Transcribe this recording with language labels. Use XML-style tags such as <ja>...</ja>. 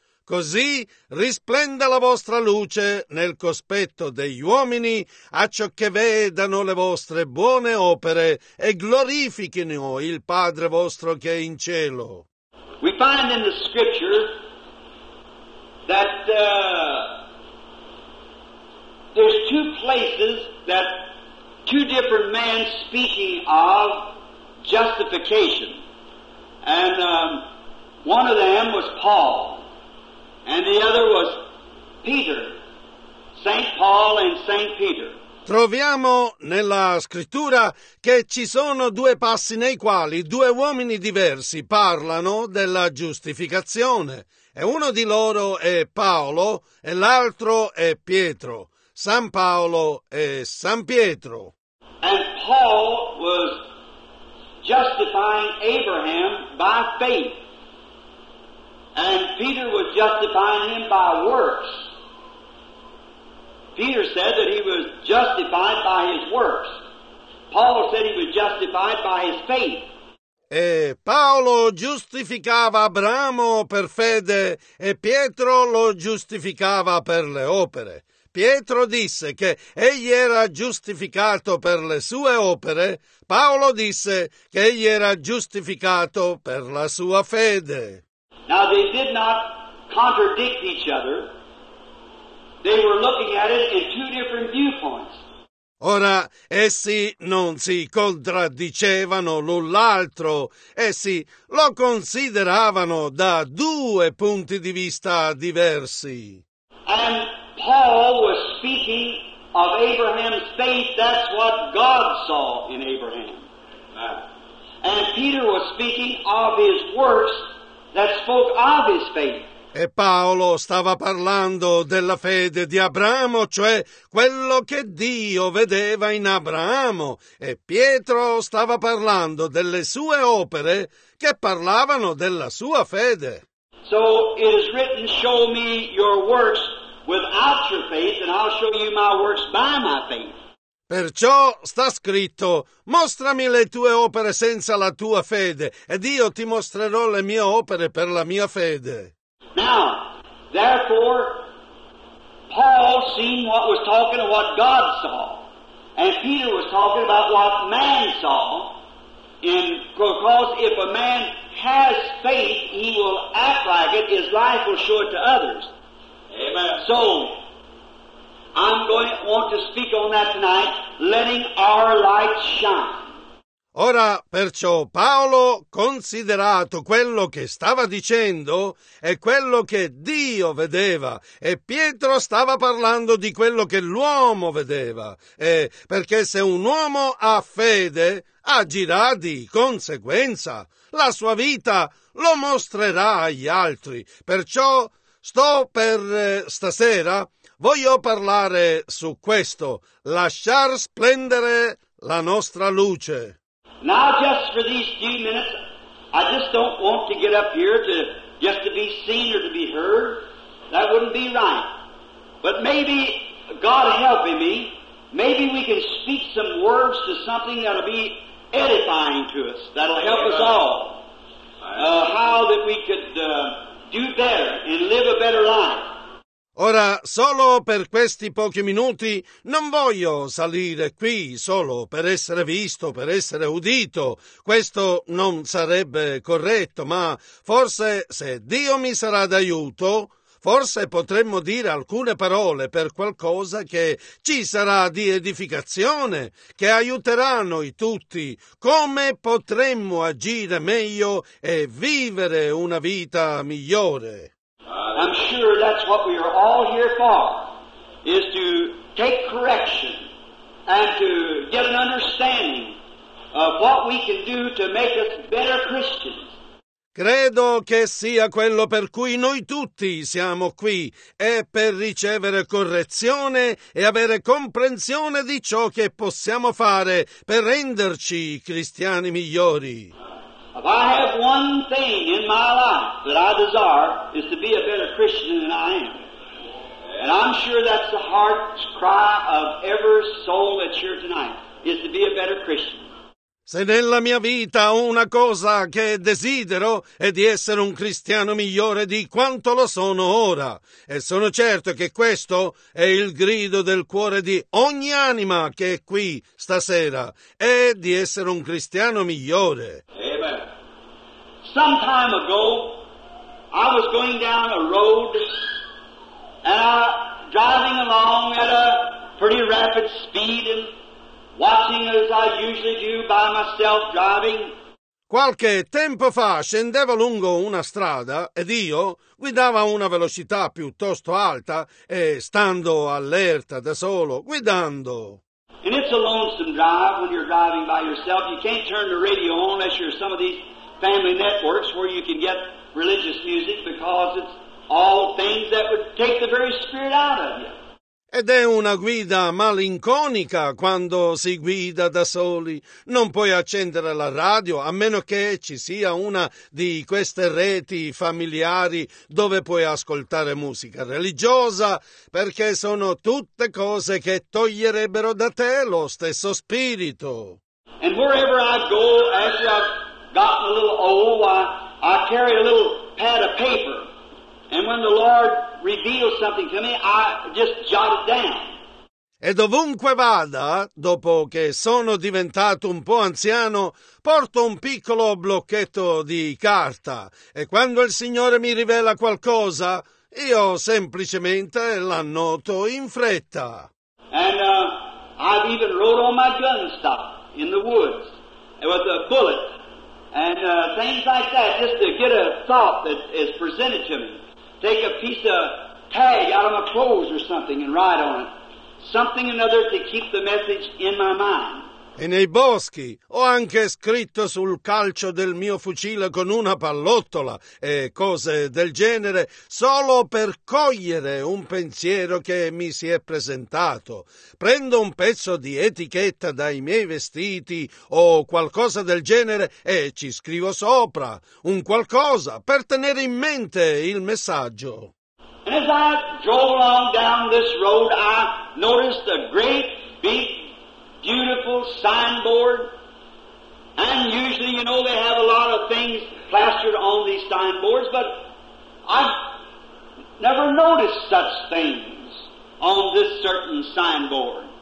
<it>Così risplenda la vostra luce nel cospetto degli uomini, acciò che vedano le vostre buone opere e glorifichino il Padre vostro che è in cielo.</it> <en>We find in the scripture that there's two places that two different men speaking of justification. And one of them was Paul. And the other was Peter, Saint Paul and Saint Peter.</en> <it>Troviamo nella scrittura che ci sono due passi nei quali due uomini diversi parlano della giustificazione. E uno di loro è Paolo e l'altro è Pietro. San Paolo e San Pietro.</it> <en>And Paul was justifying Abraham by faith. And Peter was justifying him by works. Peter said that he was justified by his works. Paul said he was justified by his faith.</en> <it>E Paolo giustificava Abramo per fede e Pietro lo giustificava per le opere. Pietro disse che egli era giustificato per le sue opere. Paolo disse che egli era giustificato per la sua fede.</it> <en>Now they did not contradict each other. They were looking at it in two different viewpoints.</en> <it>Ora essi non si contraddicevano l'un l'altro, essi lo consideravano da due punti di vista diversi.</it> <en>And Paul was speaking of Abraham's faith, that's what God saw in Abraham. And Peter was speaking of his works. That spoke of his faith.</en> <it>E Paolo stava parlando della fede di Abramo, cioè quello che Dio vedeva in Abramo. E Pietro stava parlando delle sue opere che parlavano della sua fede.</it> <en>So it is written, show me your works without your faith, and I'll show you my works by my faith.</en> <it>Perciò sta scritto, mostrami le tue opere senza la tua fede, ed io ti mostrerò le mie opere per la mia fede.</it> <en>Now, therefore, Paul seen what was talking of what God saw, and Peter was talking about what man saw, and because if a man has faith, he will act like it, his life will show it to others. Amen. So, I'm going to want to speak on that tonight, letting our light shine.</en> <it>Ora, perciò, Paolo, considerato quello che stava dicendo e quello che Dio vedeva, e Pietro stava parlando di quello che l'uomo vedeva, e perché se un uomo ha fede, agirà di conseguenza. La sua vita lo mostrerà agli altri. Perciò, sto per stasera, voglio parlare su questo, lasciar splendere la nostra luce.</it> <en>Now just for these few minutes, I just don't want to get up here to just to be seen or to be heard. That wouldn't be right. But maybe, God helping me, maybe we can speak some words to something that'll be edifying to us, that'll help us all. How that we could do better and live a better life.</en> <it>Ora, solo per questi pochi minuti, non voglio salire qui solo per essere visto, per essere udito. Questo non sarebbe corretto, ma forse se Dio mi sarà d'aiuto, forse potremmo dire alcune parole per qualcosa che ci sarà di edificazione, che aiuterà noi tutti. Come potremmo agire meglio e vivere una vita migliore?</it> <en>I'm sure that's what we are all here for, is to take correction and to get an understanding of what we can do to make us better Christians.</en> <it>Credo che sia quello per cui noi tutti siamo qui, è per ricevere correzione e avere comprensione di ciò che possiamo fare per renderci cristiani migliori.</it> <en>If I have one thing in my life that I desire, is to be a better Christian than I am. And I'm sure that's the heart's cry of every soul that's here tonight, is to be a better Christian.</en> <it>Se nella mia vita ho una cosa che desidero è di essere un cristiano migliore di quanto lo sono ora. E sono certo che questo è il grido del cuore di ogni anima che è qui stasera, è di essere un cristiano migliore. Amen.</it> <en>Some time ago, I was going down a road and driving along at a pretty rapid speed and watching as I usually do by myself driving.</en> <it>Qualche tempo fa scendevo lungo una strada ed io guidavo a una velocità piuttosto alta e stando allerta da solo, guidando.</it> <en>And it's a lonesome drive when you're driving by yourself. You can't turn the radio on unless you're some of these family networks where you can get religious music, because it's all things that would take the very spirit out of you.</en> <it>Ed è una guida malinconica quando si guida da soli. Non puoi accendere la radio a meno che ci sia una di queste reti familiari dove puoi ascoltare musica religiosa, perché sono tutte cose che toglierebbero da te lo stesso spirito.</it> <en>And wherever I go, after I've gotten a little old, I carry a little pad of paper. And when the Lord reveals something to me, I just jot it down.</en> <it>E dovunque vada, dopo che sono diventato un po' anziano, porto un piccolo blocchetto di carta. E quando il Signore mi rivela qualcosa, io semplicemente l'annoto in fretta.</it> <en>And I've even wrote on my gun stock in the woods with a bullet. And things like that, just to get a thought that is presented to me. Take a piece of tag out of my clothes or something and write on it. Something or another to keep the message in my mind.</en> <it>E nei boschi ho anche scritto sul calcio del mio fucile con una pallottola e cose del genere, solo per cogliere un pensiero che mi si è presentato. Prendo un pezzo di etichetta dai miei vestiti o qualcosa del genere e ci scrivo sopra un qualcosa per tenere in mente il messaggio.</it> <en>And as I drove along down this road, I noticed a great big beautiful signboard, and usually, you know, they have a lot of things plastered on these signboards, but I've never noticed such things on this certain signboard.</en>